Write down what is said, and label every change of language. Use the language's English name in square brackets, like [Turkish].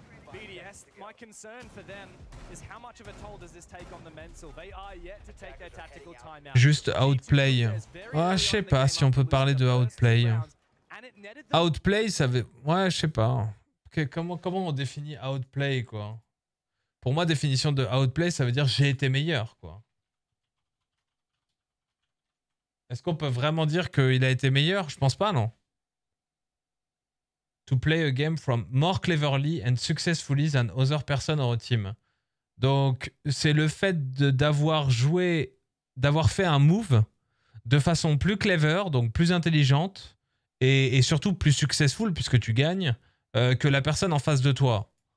[English] BDS, my concern for them is how much of a toll does this take on the mental? They are yet to take their tactical timeout. [French] Juste outplay. Ouais, je sais pas si on peut parler de outplay. Outplay, ça veut... Ouais, je sais pas. Okay, comment on définit outplay, quoi? Pour moi, définition de outplay, ça veut dire j'ai été meilleur, quoi. Est-ce qu'on peut vraiment dire qu'il a été meilleur? Je pense pas, non. [English] To play a game from more cleverly and successfully than other person or team. [French] Donc, c'est le fait d'avoir fait un move de façon plus clever, donc plus intelligente, et surtout plus successful, puisque tu gagnes, que la personne en face de toi.